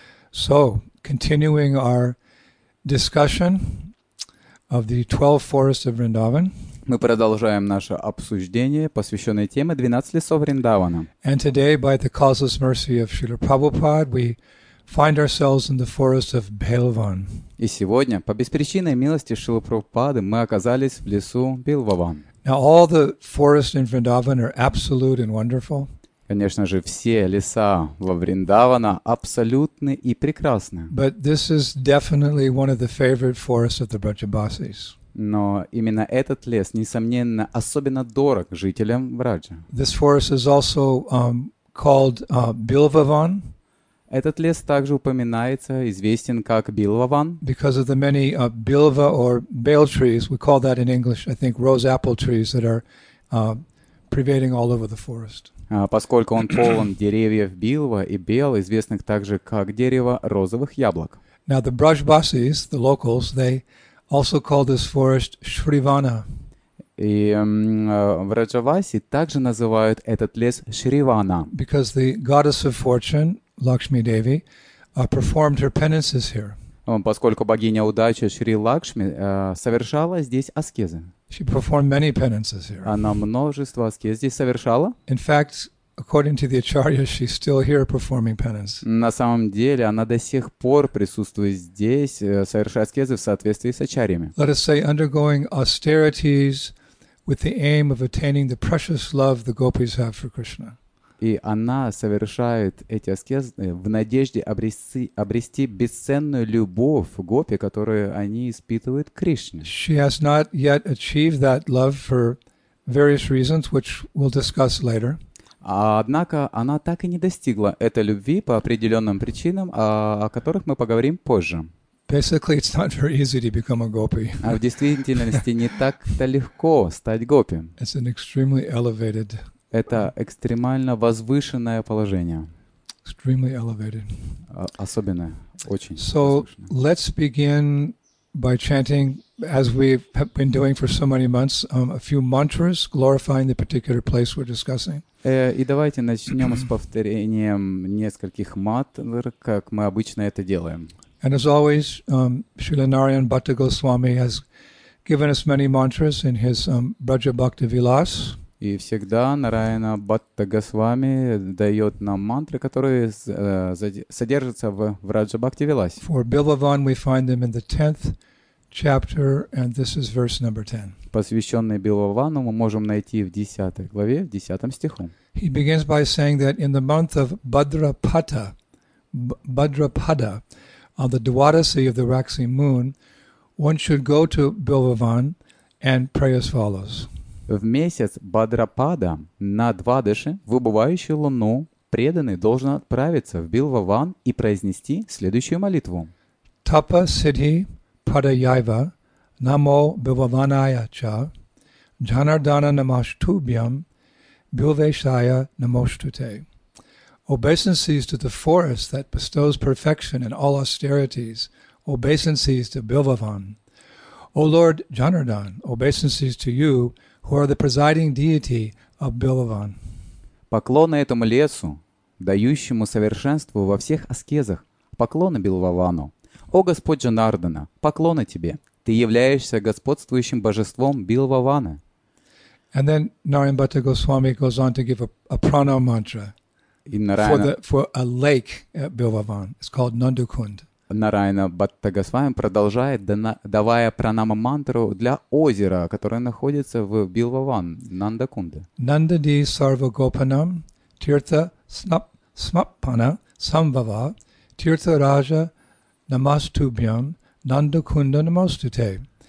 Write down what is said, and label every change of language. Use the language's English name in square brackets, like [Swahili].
[English] So, continuing our discussion of the 12 forests of Vrindavan. [Russian] Мы продолжаем наше обсуждение, посвященное теме 12 лесов Вриндавана. [English] And today, by the causeless mercy of Srila Prabhupada, we find ourselves in the forest of Belvan. [Russian] И сегодня, по беспричинной милости Шрилы Прабхупады, мы оказались в лесу Белваван. [English] Now all the forests in Vrindavan are absolute and wonderful. [Russian] Конечно же, все леса во Вриндавана абсолютны и прекрасны. [English] But this is definitely one of the favorite forests of the Brajabasis. [Russian] Но именно этот лес, несомненно, особенно дорог жителям Враджа. [English] This forest is also called Bilvavan. [Russian] Этот лес также упоминается, известен как Bilvavan. [English] Because of the many bilva or bale trees, we call that in English, I think, rose apple trees that are pervading all over the forest. [Russian] Поскольку он полон деревьев билва и бел, известных также как дерево розовых яблок. [English] Now the Brajbasis, the locals, they also call this forest Shrivana. [Russian] И в Раджаваси также называют этот лес Шривана. [English] Because the goddess of fortune, Lakshmi Devi, performed her penances here. [Russian] Поскольку богиня удачи Шри Лакшми совершала здесь аскезы. [English] She performed many penances here. [Russian] Она множество аскез здесь совершала. [English] In fact, according to the Acharya, she's still here performing penance. [Russian] На самом деле, она до сих пор присутствует здесь, совершая аскезы в соответствии с Ачарьями. [English] Let us say, undergoing austerities with the aim of attaining the precious love the gopis have for Krishna. [Russian] И она совершает эти аскезы в надежде обрести бесценную любовь гопи, которую они испытывают к Кришне. [English] She has not yet achieved that love for various reasons, which we'll discuss later. [Russian] Однако она так и не достигла этой любви по определенным причинам, о которых мы поговорим позже. [English] Basically, it's not very easy to become a gopi. [Russian] А в действительности не так-то легко стать гопи. [English] It's an extremely elevated. [Russian] Это экстремально возвышенное положение. [English] Extremely elevated. [Russian] Особенное, очень. [English] So let's begin by chanting, as we have been doing for so many months, a few mantras glorifying the particular place we're discussing. [Russian] И давайте начнем с повторением нескольких мантр, как мы обычно это делаем. [English] And as always, Srila Narayan Bhatta Goswami has given us many mantras in his Braja Bhakti Vilas. [Russian] И всегда Нараяна Бхатта Госвами дает нам мантры, которые содержатся в Раджа Бхакти Виласе. [English] For Bilvavan we find them in the 10th chapter, and this is verse number 10. [Russian] Посвященный Бхилавану мы можем найти в 10 главе, в 10 стиху. [English] He begins by saying that in the month of Bhadrapada, on the Dwadasi of the waxing moon, one should go to Bilvavan and pray as follows. [Russian] В месяц Бхадрапада на Двадаши, выбывающую луну, преданный должен отправиться в Билваван и произнести следующую молитву. [Sanskrit] Тапа сидхи падаяйва намо билваванайя ча джанардана намаштубьям билвешая намоштуте. [English] Obeisances to the forest that bestows perfection in all austerities, obeisances to Bilvavan. O Lord Janardhan, obeisances to you, who are the presiding deity of Bilvavan. [Russian] Поклоны этому лесу, дающему совершенство во всех аскезах, поклоны Бхилавану. О Господь Джанардана, поклоны Тебе. Ты являешься господствующим божеством Бхилавана. [English] And then Narayan Bhatta Goswami goes on to give a prana mantra for a lake at Bilvavan. It's called Nandukund. [Russian] Нараяна Бхатта Госвами продолжает, давая пранама мантру для озера, которое находится в Билваван, Нандакунда. [Sanskrit] Нандади сарвагопанам тирта смаппана самбава тирта ража намастубьям Нандакунда намастуте.